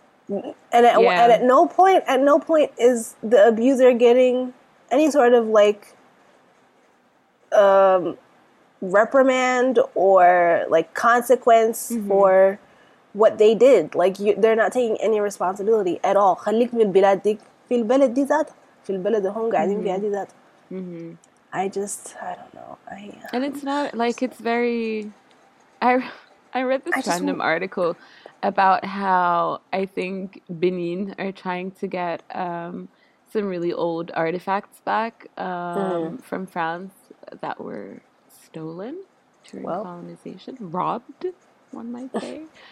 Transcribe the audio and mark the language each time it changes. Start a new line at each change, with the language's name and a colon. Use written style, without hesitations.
English: And at no point is the abuser getting any sort of like reprimand or like consequence mm-hmm. for what they did. Like they're not taking any responsibility at all.
Arabic: خليك من بلادك في البلد دي ذات في البلد هم قاعدين فيها دي ذات.
English: I just I don't know. And it's not like it's very. I read this random article about how I think Benin are trying to get some really old artifacts back from France that were stolen during colonization, robbed, one might say.